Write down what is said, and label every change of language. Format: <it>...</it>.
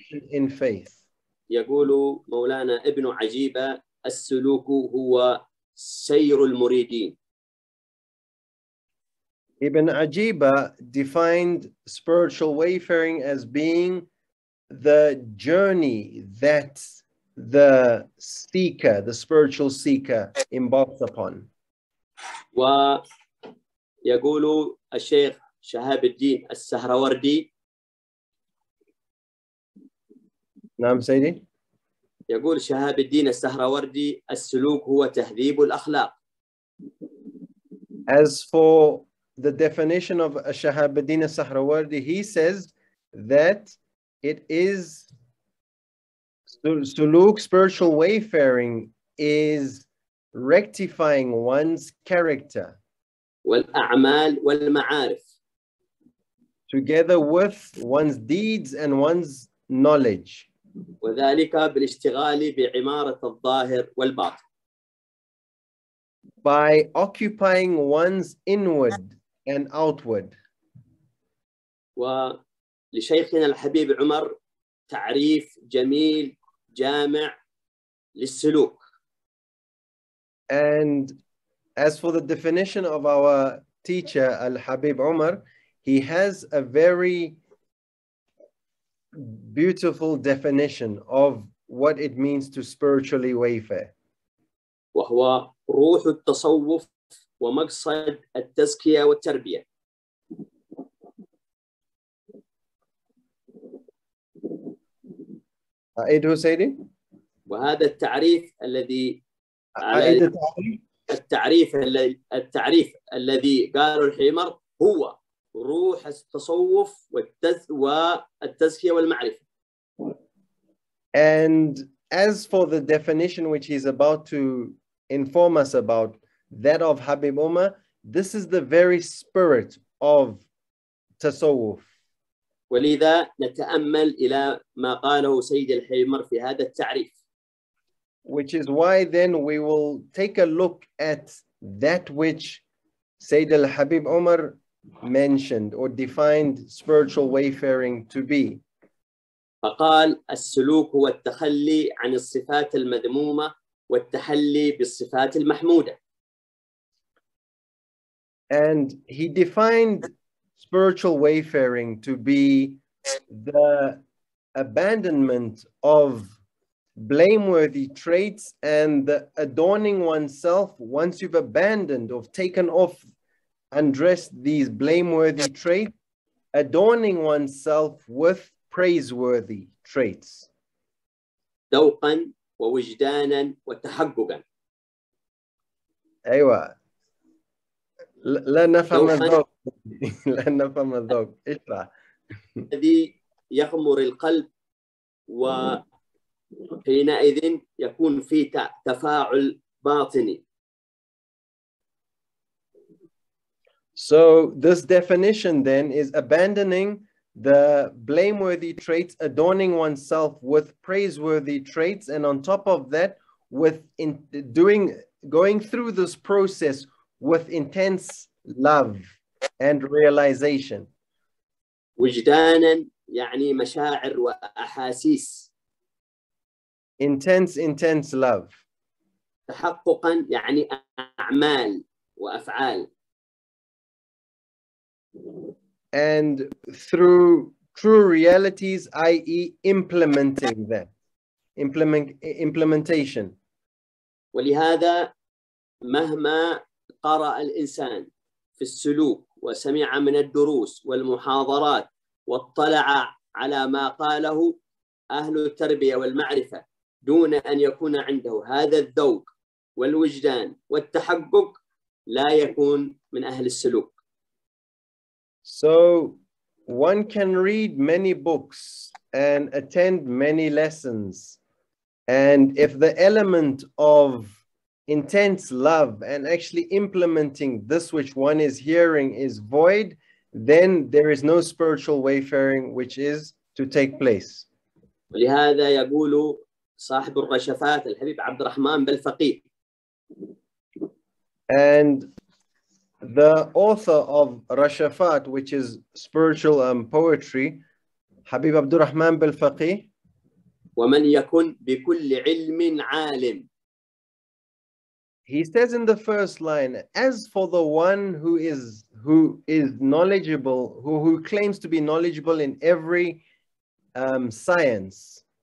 <en>In faith.</en> <ar>يقول مولانا ابن عجيبة السلوك هو سير المريدين.</ar> <en>Ibn Ajiba defined spiritual wayfaring as being the journey that the seeker, the spiritual seeker, embarks upon.</en> <ar>ويقول الشيخ شهاب الدين السهروردي. نعم سيدي. يقول شهاب الدين السهروردي السلوك هو تهذيب الأخلاق.</ar> <en>As for the definition of Shahabuddin al-Sahrawardi, he says that it is suluk, spiritual wayfaring, is rectifying one's character.</en> <ar>والأعمال والمعارف.</ar> <en>Together with one's deeds and one's knowledge.</en> <ar>وذلك بالاشتغال بعمارة الظاهر والباطن.</ar> <en>By occupying one's inward and outward.</en> <ar>ولشيخنا الحبيب عمر تعريف جميل جامع للسلوك.</ar> <en>And as for the definition of our teacher, Al-Habib Umar, he has a very beautiful definition of what it means to spiritually wayfare.</en> <ar>وهو روح التصوف ومقصد التزكية والتربية. أعيد حسيني. وهذا التعريف الذي التعريف الذي قاله الحمر هو روح التصوف والتزكية والمعرفة.</ar> <en>And as for the definition which he's about to inform us about, that of Habib Umar, this is the very spirit of tasawwuf.</en> <ar>ولذا نتأمل إلى ما قاله سيد الحمر في هذا التعريف.</ar> <en>Which is why then we will take a look at that which Sayyid al-Habib Umar mentioned or defined spiritual wayfaring to be.</en> <ar>فقال السلوك هو التخلي عن الصفات المذمومة والتحلي بالصفات المحمودة.</ar> <en>And he defined spiritual wayfaring to be the abandonment of blameworthy traits and the adorning oneself. Once you've abandoned or taken off, undressed these blameworthy traits, adorning oneself with praiseworthy traits.</en> <ar>ذوقاً ووجداناً وتحققاً. أيوة. لا نفهم الذوق. لا نفهم الذوق. إشرح. الذي يغمر القلب و حينئذ يكون في تفاعل باطني.</ar> <en>So this definition then is abandoning the blameworthy traits, adorning oneself with praiseworthy traits, and on top of that, with going through this process with intense love and realization.</en> <ar>وجدانا يعني مشاعر وأحاسيس.</ar> <en>Intense love.</en> <ar>تحققا يعني أعمال وأفعال.</ar> <en>And through true realities, i.e. implementing that. Implementation.</en> <ar>ولهذا مهما قرأ الإنسان في السلوك وسمع من الدروس والمحاضرات واطلع على ما قاله أهل التربية والمعرفة دون أن يكون عنده هذا الذوق والوجدان والتحقق لا يكون من أهل السلوك.</ar> <en>So one can read many books and attend many lessons, and if the element of intense love and actually implementing this which one is hearing is void, then there is no spiritual wayfaring which is to take place.</en> <ar>ولهذا يقول صاحب الرشفات الحبيب عبد الرحمن بالفقيه.</ar> <en>And the author of Rashafat, which is spiritual poetry, Habib Abdul Rahman Bilfaqih.</en> <ar>وَمَنْ يَكُنْ بِكُلِّ عِلْمٍ عَالِمٍ.</ar> <en>He says in the first line, as for the one who is knowledgeable, who claims to be knowledgeable in every science.</en>